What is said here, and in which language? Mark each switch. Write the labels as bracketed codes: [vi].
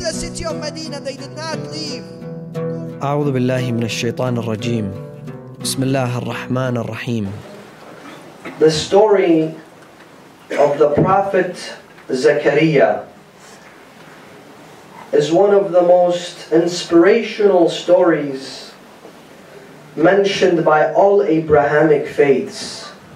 [en] the city of Medina, they did not leave. [ar] أعوذ بالله من الشيطان الرجيم بسم الله الرحمن الرحيم. [en] The story of the Prophet Zakaria is one of the most inspirational stories mentioned by all Abrahamic faiths.